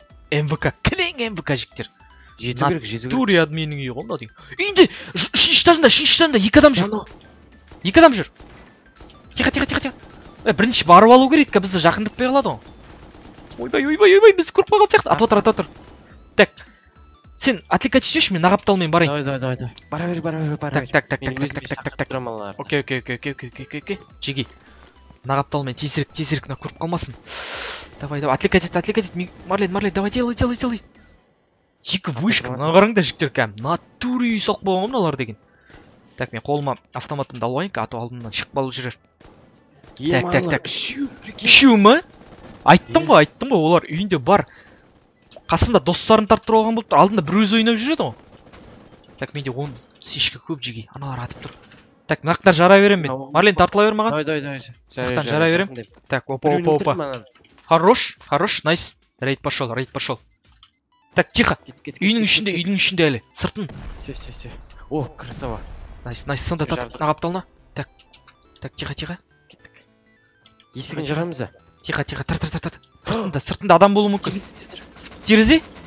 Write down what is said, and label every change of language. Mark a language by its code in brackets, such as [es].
[kk] МВК, кілең МВК жігіттер. Жету керек, жету керек. Натури админнің үйі ғой мынау деген. Үйінде үшінші этажында, үшінші этажында екі адам жүр. Екі адам жүр. [ru] Тиха тиха тиха тиха. [kk] Бірінші барып алу керек, бізді жақындатпай қалады ғой. Ойбай ойбай ойбай, біз көріп қалған сияқты. Атып отыр, атып отыр. Так, сен отвлекать етсеңші, мен нағапталмен барайын. [ru] Давай давай давай давай, [kk] бара бер, бара бер, бара бер. Так так так так так так так так. Окей окей окей окей окей окей окей. Жеги, нағапталмен тезірек тезірек, мына көріп қалмасын. [ru] Давай давай, [kk] отвлекать ет, отвлекать ет. [ru] Марлен, Марлен, давай делай делай делай. [kk] Екі вышка, мына қараңдар жігіттер, кәдімгі натури үй салып қойған ғой мыналар деген. Так, мен қолыма автоматымды алайын, ату алдымнан шығып қалып жүрер. Так так так, үшеу ма? Айттым ғой, айттым ғой, олар үйінде бар, қасында достарын тарттырып алған болып тұр, алдында бір өзі ойнап жүреді ғой. Так, менде он сешка көп жеге, аналар атып тұр. Так, мынақтар жара беремін мен. Марлен, тартыла бер маған. Мынақтан жара беремін. [ru] Так, опа опа опа, хорош хорош, найс. Рейд пошел, рейд пошел. Так, тихо. [kk] Үйінің ішінде, үйінің ішінде әлі. Сыртын. [ru] Все, все, все. О, красава. [en] Найс, найс. [kk] Сонда тартып, нағапталына. [ru] Так. Так, тихо, тихо. [kk] Кеттік. Есігін жарамыз ба? [ru] Тихо, тихо. Тар, тар, тар, тар. [kk] Сыртында, сыртында адам болуы мүмкін. Терезе?